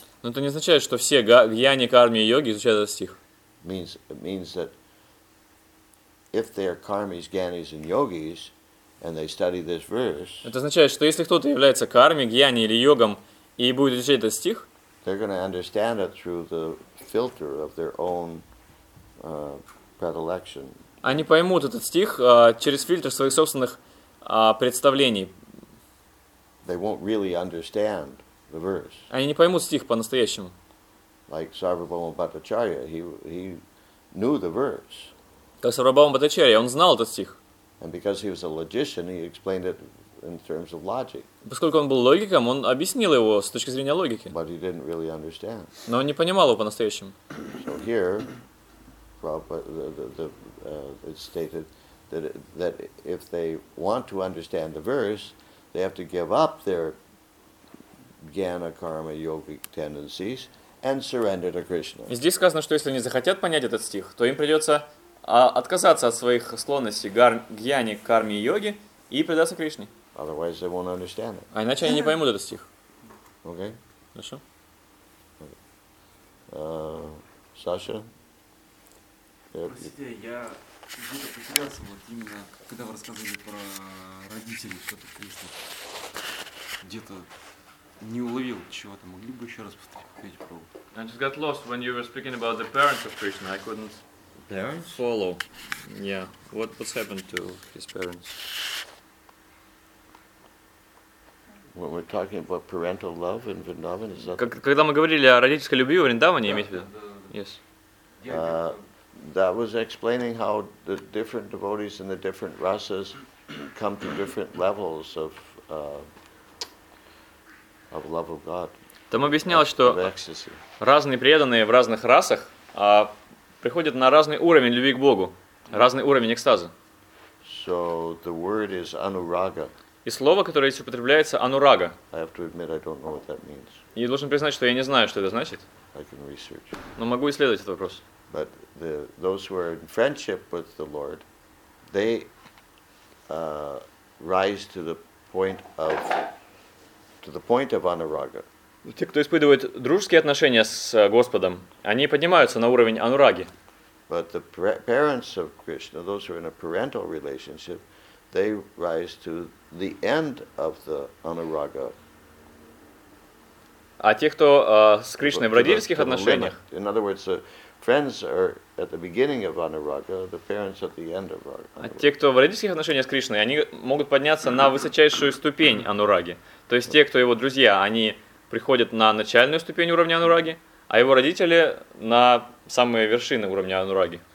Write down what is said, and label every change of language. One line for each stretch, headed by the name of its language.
Russian: Но это не означает, что все гьяни, карми и йоги изучают этот стих.
English: It means that if they are Karmis, Gyanis, and Yogis, and they study this verse.
Russian: Это означает, что если кто-то является карми, гьяни или йогом и будет изучать этот стих,
English: they're going to understand it through the filter of their own predilection.
Russian: Они поймут этот стих через фильтр своих собственных представлений.
English: They won't really understand the verse.
Russian: Они не поймут стих по-настоящему.
English: Like Sarvabhauma Bhattacharya, he knew the verse.
Russian: Как Сарвабхаума Бхаттачарья, он знал этот стих.
English: And because he was a logician, he explained it in terms of logic.
Russian: Поскольку он был логиком, он объяснил его с точки зрения логики.
English: But he didn't really understand.
Russian: Но он не понимал его по-настоящему.
English: So here, it's stated that if they want to understand the verse, they have to give up their jnana, karma, yogic tendencies and surrender to Krishna.
Russian: Здесь сказано, что если они захотят понять этот стих, то им придется отказаться от своих склонностей гьяни, карме и йоги и предаться Кришне.
English: Otherwise they won't understand it.
Russian: А иначе они не поймут этот стих.
English: Okay.
Russian: Хорошо. Саша? Простите, я где-то потерялся, вот именно, когда вы рассказывали про родителей, что-то Кришне, где-то не уловил чего-то. Могли бы еще раз повторить про...
English: I just got lost when you were speaking about the parents of Krishna. I couldn't... Parents? Follow. Yeah. What's happened to his parents? When we're talking about parental love in Vrindavan, is that...
Russian: Когда мы говорили о родительской любви в Вриндаване, имеете в виду?
English: Yes. That was explaining how the different devotees and the different rasas come to different levels of love of God.
Russian: Там объяснялось, что разные преданные в разных расах приходят на разный уровень любви к Богу, разный уровень экстаза.
English: So the word is anuraga.
Russian: И слово, которое здесь употребляется, anuraga.
English: I have to admit, I don't know what that means.
Russian: И должен признать, что я не знаю, что это значит.
English: I can research.
Russian: Но могу исследовать этот вопрос.
English: But those who are in friendship with the Lord, they rise to the point of anuraga.
Russian: Те, кто испытывает дружеские отношения с Господом, они поднимаются на уровень анураги.
English: But the parents of Krishna, those who are in a parental relationship, they rise to the end of the anuraga.
Russian: А те, кто с Кришной в родительских отношениях...
English: In other words, friends are at the beginning of anuraga, the parents at the end of anuraga.
Russian: А те, кто в родительских отношениях с Кришной, они могут подняться на высочайшую ступень анураги. То есть те, кто его друзья, они приходят на начальную ступень уровня анураги, а его родители на самые вершины уровня анураги.